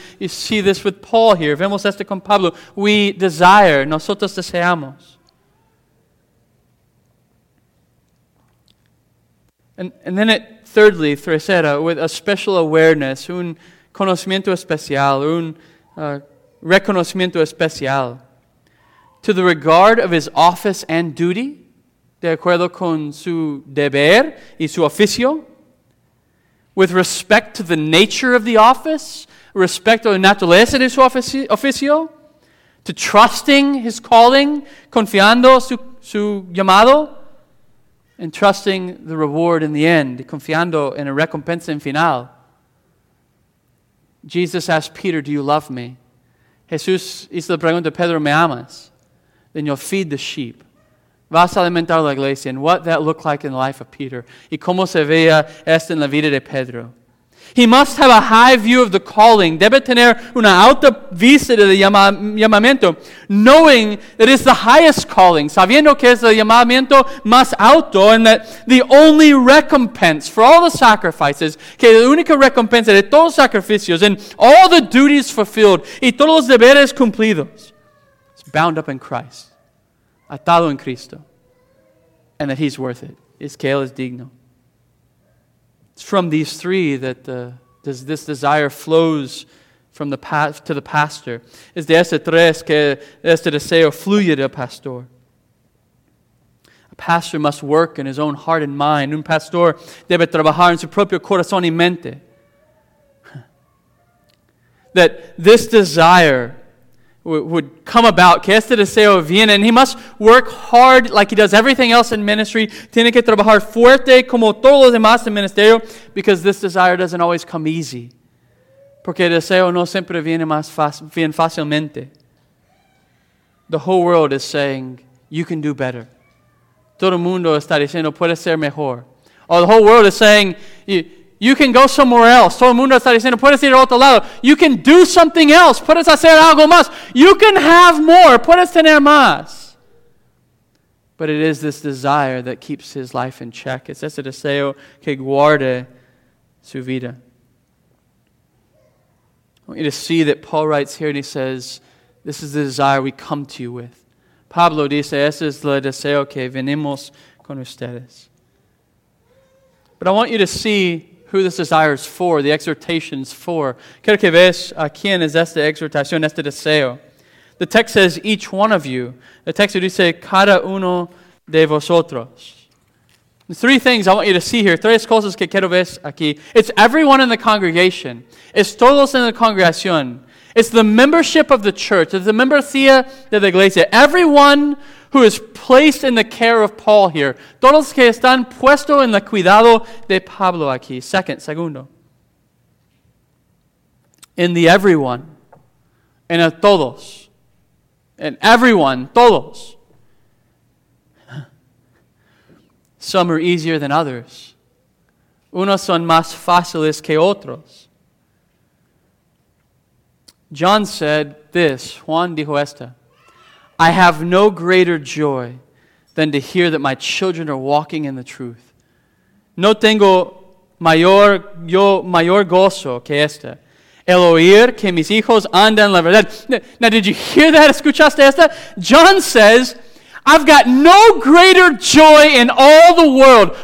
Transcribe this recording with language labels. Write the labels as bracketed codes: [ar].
[en] You see this with Paul here. [es] Vemos esto con Pablo. [en] We desire. [es] Nosotros deseamos. [en] And then it, thirdly, [es] tercera, [en] with a special awareness, [es] un conocimiento especial, reconocimiento especial, [en] to the regard of his office and duty, [es] de acuerdo con su deber y su oficio, [en] with respect to the nature of the office, respect to the [es] naturaleza de su oficio, [en] to trusting his calling, [es] confiando su llamado, [en] and trusting the reward in the end, [es] confiando en la recompensa en final. [en] Jesus asked Peter, "Do you love me?" [es] Jesús hizo la pregunta, "Pedro, ¿me amas?" [en] Then you'll feed the sheep. [es] Vas a alimentar la iglesia. [en] And what that looked like in the life of Peter. [es] Y cómo se veía esto en la vida de Pedro. [en] He must have a high view of the calling. [es] Debe tener una alta vista de llamamiento. [en] Knowing that it's the highest calling. [es] Sabiendo que es el llamamiento más alto. [en] And that the only recompense for all the sacrifices. [es] Que la única recompensa de todos los sacrificios. [en] And all the duties fulfilled. [es] Y todos los deberes cumplidos. [en] It's bound up in Christ. [es] Atado en Cristo, [en] and that he's worth it. [es] Es que él es digno. [en] It's from these three that this desire flows from the path to the pastor. [es] Es de ese tres que este deseo fluye del pastor. [en] A pastor must work in his own heart and mind. [es] Un pastor debe trabajar en su propio corazón y mente. [en] That this desire would come about, [es] que este deseo viene, [en] and he must work hard like he does everything else in ministry. [es] Tiene que trabajar fuerte como todos los demás en ministerio, [en] because this desire doesn't always come easy. [es] Porque el deseo no siempre viene fácilmente. [en] The whole world is saying, you can do better. [es] Todo el mundo está diciendo, puedes ser mejor. [en] Or the whole world is saying, you can go somewhere else. [es] Todo el mundo está diciendo, puedes ir a otro lado. [en] You can do something else. [es] Puedes hacer algo más. [en] You can have more. [es] Puedes tener más. [en] But it is this desire that keeps his life in check. [es] Es ese deseo que guarda su vida. [en] I want you to see that Paul writes here and he says, this is the desire we come to you with. [es] Pablo dice, ese es el deseo que venimos con ustedes. [en] But I want you to see who this desire is for, the exhortation's for. [es] Quiero que veas a quién es esta exhortación, este deseo. [en] The text says, each one of you. The text [es] dice, cada uno de vosotros. [en] There's three things I want you to see here. [es] Tres cosas que quiero ver aquí. [en] It's everyone in the congregation. [es] Es todos en la congregación. [en] It's the membership of the church. It's the [es] membresía de la iglesia. [en] Everyone who is placed in the care of Paul here. [es] Todos que están puestos en el cuidado de Pablo aquí. Segundo. [en] In the everyone. [es] En el todos. [en] In everyone. [es] Todos. [en] Some are easier than others. [es] Unos son más fáciles que otros. [en] John said this. [es] Juan dijo esta. [en] I have no greater joy than to hear that my children are walking in the truth. [es] No tengo mayor gozo que esta. El oír que mis hijos andan la verdad. [en] Now, did you hear that? [es] ¿Escuchaste esta? [en] John says, I've got no greater joy in all the world.